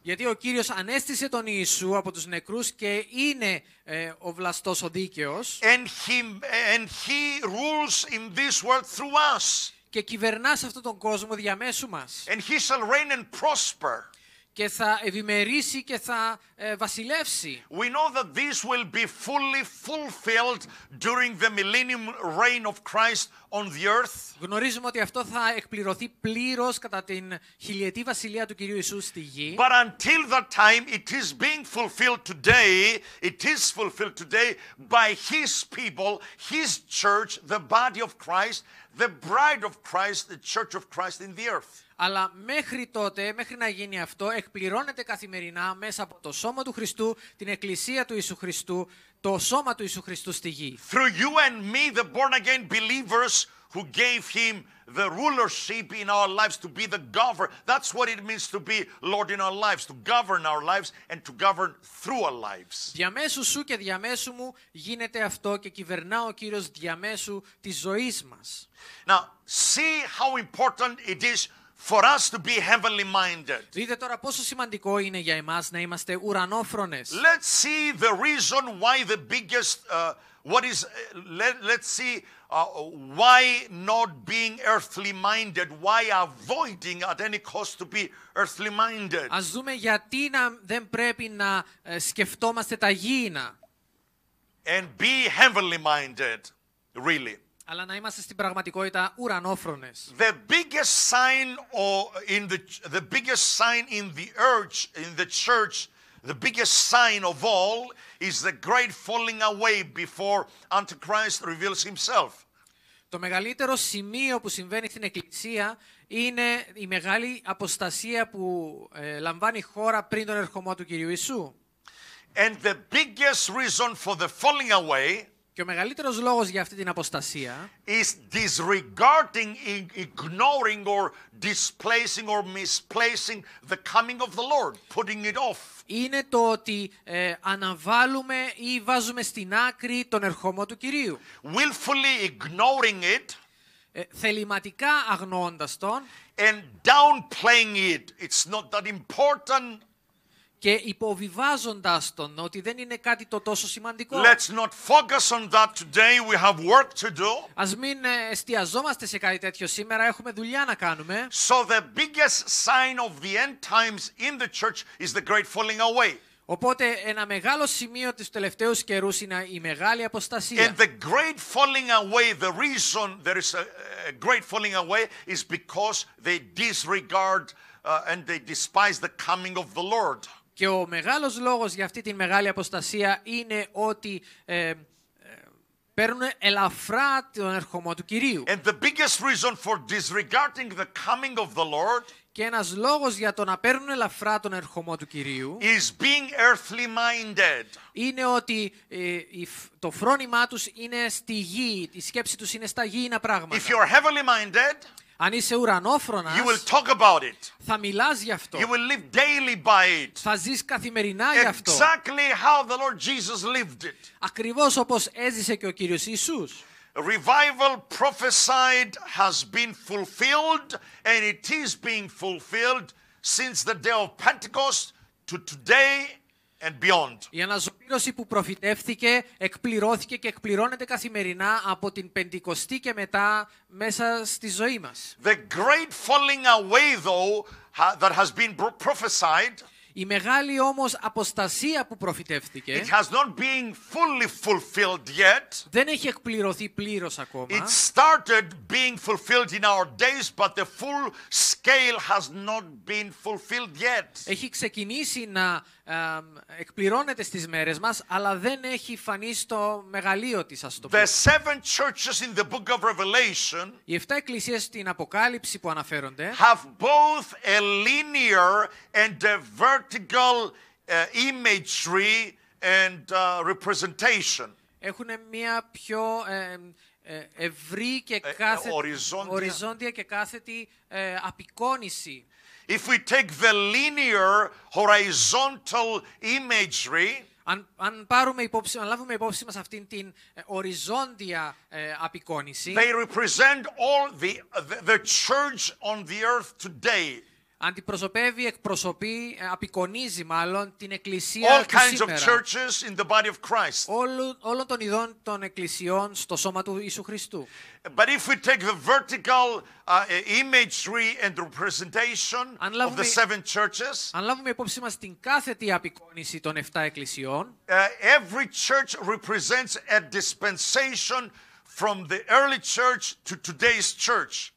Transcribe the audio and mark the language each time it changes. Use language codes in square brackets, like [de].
[el] Γιατί ο Κύριος ανέστησε τον Ιησού από τους νεκρούς και είναι ο βλαστός, ο δίκαιος. [en] And he rules in this world through us. [el] και κυβερνάς αυτόν τον κόσμο διαμέσου μας. [en] And he shall reign and prosper. [el] Και θα ευημερήσει και θα βασιλεύσει. [en] We know that this will be fully fulfilled during the millennium reign of Christ on the earth. [el] Γνωρίζουμε ότι αυτό θα εκπληρωθεί πλήρως κατά την χιλιετή βασιλεία του Κυρίου Ιησού στη γη. [en] But until that time, it is being fulfilled today. It is fulfilled today by His people, His church, the body of Christ, the bride of Christ, the church of Christ in the earth. [el] Αλλά μέχρι τότε, μέχρι να γίνει αυτό, εκπληρώνεται καθημερινά μέσα από το σώμα του Χριστού, την εκκλησία του Ιησού Χριστού, το σώμα του Ιησού Χριστού στη γη. [en] Through you and me, the born again believers who gave him the rulership in our lives to be the governor. That's what it means to be Lord in our lives, to govern our lives and to govern through our lives. [el] Διαμέσου σου και διαμέσου μου γίνεται αυτό και κυβερνά ο Κύριος διαμέσου της ζωής μας. [en] Now, see how important it is for us to be heavenly minded. [el] Δείτε τώρα πόσο σημαντικό είναι για εμάς να είμαστε ουρανόφρονες. [en] Let's see the reason why the biggest why not being earthly minded, why avoiding at any cost to be earthly minded. [el] Ας δούμε γιατί να δεν πρέπει να σκεφτόμαστε τα γήινα. [en] And be heavenly minded, really. [el] Αλλά να είμαστε στην πραγματικότητα ουρανόφρονες. [en] The biggest sign in the biggest sign in the earth, in the church, the biggest sign of all is the great falling away before Antichrist reveals himself. [el] Το μεγαλύτερο σημείο που συμβαίνει στην Εκκλησία είναι η μεγάλη αποστασία που λαμβάνει χώρα πριν τον ερχομό του Κυρίου Ιησού. [en] And the biggest reason for the falling away. [el] Και ο μεγαλύτερος λόγος για αυτή την αποστασία [en] is disregarding, ignoring or displacing or misplacing the coming of the Lord, putting it off. [el] Είναι το ότι αναβάλουμε ή βάζουμε στην άκρη τον ερχομό του Κυρίου. [en] Willfully ignoring it, [el] θεληματικά αγνοώντας τον, [en] and downplaying it. It's not that important. [el] Και υποβιβάζοντας τον ότι δεν είναι κάτι το τόσο σημαντικό. [en] Let's not focus on that today. We have work to do. [el] Ας μην εστιαζόμαστε σε κάτι τέτοιο σήμερα. Έχουμε δουλειά να κάνουμε. [en] So the biggest sign of the end times in the church is the great falling away. [el] Οπότε ένα μεγάλο σημείο της τελευταίου καιρούς είναι η μεγάλη αποστασία. [en] And the great falling away, the reason there is a great falling away is because they disregard and they despise the coming of the Lord. [el] Και ο μεγάλος λόγος για αυτή τη μεγάλη αποστασία είναι ότι παίρνουν ελαφρά τον ερχομό του Κυρίου. [en] And the biggest reason for disregarding the coming of the Lord, [el] και ένας λόγος για το να παίρνουν ελαφρά τον ερχομό του Κυρίου, [en] is being earthly minded. [el] Είναι ότι το φρόνημά τους είναι στη γη, η σκέψη τους είναι στα γήινα πράγματα. [en] If you're heavenly minded, [el] αν είσαι ουρανόφρονας, [en] you will talk about it. [el] Θα μιλάς γι' αυτό. [en] You will live daily by it. [el] Θα ζεις καθημερινά [en] exactly [el] γι' αυτό. [en] Exactly how the Lord Jesus lived it. [el] Ακριβώς όπως έζησε και ο Κύριος Ιησούς. [en] Revival prophesied has been fulfilled and it is being fulfilled since the day of Pentecost to today and beyond. [el] Η αναζωοποίηση που προφητεύθηκε εκπληρώθηκε και εκπληρώνεται καθημερινά από την Πεντηκοστή και μετά μέσα στη ζωή μας. [en] The great falling away though that has been prophesied, [el] η μεγάλη όμως αποστασία που προφητεύθηκε, [en] it has not been fully fulfilled yet. [el] Δεν έχει εκπληρωθεί πλήρως ακόμα. [en] It started being fulfilled in our days, but the full scale has not been fulfilled yet. [el] Έχει ξεκινήσει να εκπληρώνεται στις μέρες μας, αλλά δεν έχει φανεί στο μεγαλείο της, ας το πω. [en] The seven churches in the book of Revelation, [el] οι 7 εκκλησίες στην Αποκάλυψη που αναφέρονται, [en] have both a linear and a vertical imagery and representation. [el] Έχουν μια πιο ευρύ και κάθετη, οριζόντια και κάθετη απεικόνηση. [en] If we take the linear horizontal imagery, [el] αν λάβουμε υπόψη μας αυτήν την οριζόντια απεικόνιση, [en] they represent all the church on the earth today. [el] Αντιπροσωπεύει, εκπροσωπεί, απεικονίζει μάλλον την εκκλησία [en] all [el] του [en] kinds [el] σήμερα. [en] Of churches in the body of Christ. [el] Όλων των ειδών των εκκλησιών στο σώμα του Ιησού Χριστού. [en] But if we take the vertical imagery and representation of the seven churches, [el] αν λάβουμε υπόψη μας την κάθετη απεικόνιση των 7 εκκλησιών, [en] every church represents a dispensation from the early church to today's church.